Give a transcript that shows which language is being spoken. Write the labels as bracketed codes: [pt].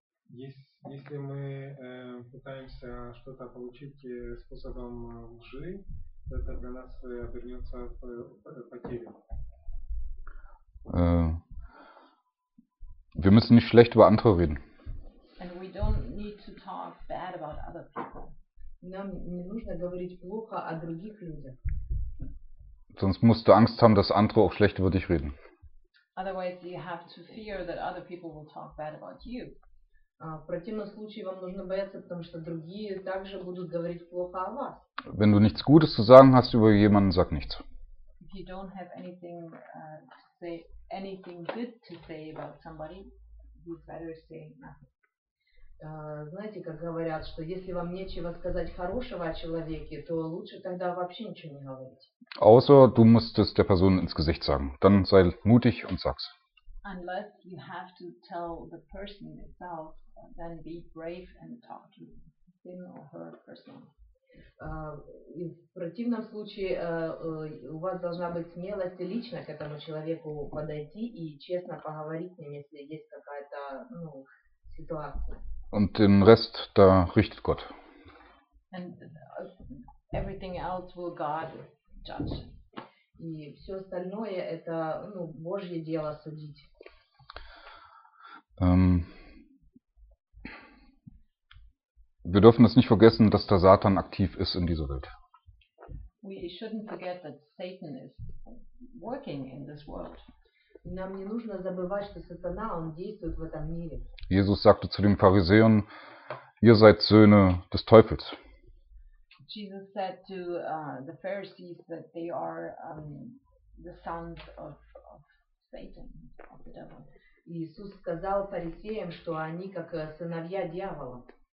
[ru] если мы пытаемся что-то получить способом лжи, это для нас обернется потерей. [de] Wir müssen nicht schlecht über andere reden. [en] And we don't need to talk bad about other people. [ru] Нам не нужно говорить плохо о других людях. [de] Sonst musst du Angst haben, dass andere auch schlecht über dich reden. [en] Otherwise, you have to fear that other people will talk bad about you. [ru] В противном случае вам нужно бояться, потому что другие также будут говорить плохо о вас. [de] Wenn du nichts Gutes zu sagen hast über jemanden, sag nichts. [en] If you don't have anything to say, anything good to say about somebody, you better say nothing. [ru] Знаете, как говорят, что если вам нечего сказать хорошего о человеке, то лучше тогда вообще ничего не говорить. [de] Außer du musst es der Person ins Gesicht sagen, dann sei mutig und sag's. [en] Unless you have to tell the person itself, then be brave and talk to him or her personally. [ru] В противном случае у вас должна быть смелость лично к этому человеку подойти и честно поговорить с ним, если есть какая-то ситуация. [de] Und den Rest, da richtet Gott. [en] And everything else will God judge. [ru] И все остальное это Божье дело судить. [de] Wir dürfen das nicht vergessen, dass der Satan aktiv ist in dieser Welt. [en] We shouldn't forget that Satan is working in this world. [ru] Нам не нужно забывать, что сатана, он действует в этом мире. [de] Jesus sagte zu den Pharisäern, ihr seid Söhne des Teufels. [en] Jesus said to the Pharisees that they are the sons of Satan, of the devil. [ru] Иисус сказал фарисеям, что они как сыновья дьявола.